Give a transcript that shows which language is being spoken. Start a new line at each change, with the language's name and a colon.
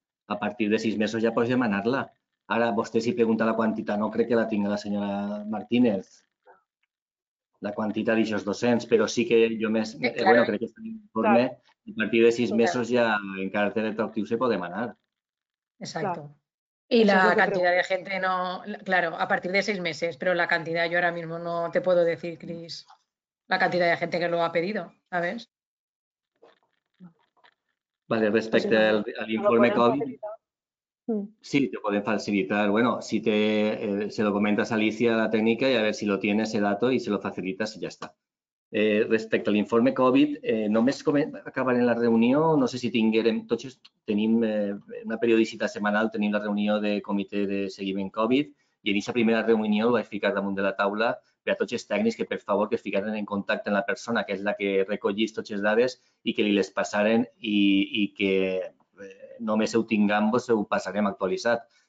Catalan: A partir de 6 mesos ja pots demanar-la. Ara, vostè si pregunta la quantitat, no crec que la tingui la senyora Martínez. La quantitat d'aixòs 200, però sí que jo més... crec que és un informe. A partir de 6 mesos ja en caràcter retroactiu se pot demanar. Exacte. Clar.
Spanish: Y la cantidad de gente no, claro, a partir de 6 meses, pero la cantidad yo ahora mismo no te puedo decir, Cris, la cantidad de gente que lo ha pedido, ¿sabes? Vale, respecto al informe COVID, sí, te pueden facilitar, bueno, si te se lo comentas a Alicia, la técnica, y a ver si lo tiene ese dato y se lo facilitas y ya está.
Catalan: Respecte a l'informe Covid, només acabarem la reunió, no sé si tinguérem, tots tenim una periodicitat setmanal, tenim la reunió de comitè de seguiment Covid i en aquesta primera reunió ho vaig ficar damunt de la taula per a tots els tècnics que, per favor, que es ficaran en contacte amb la persona que és la que recollís tots els dades i que li les passaren i que només ho tinguem, vos ho passarem actualitzat.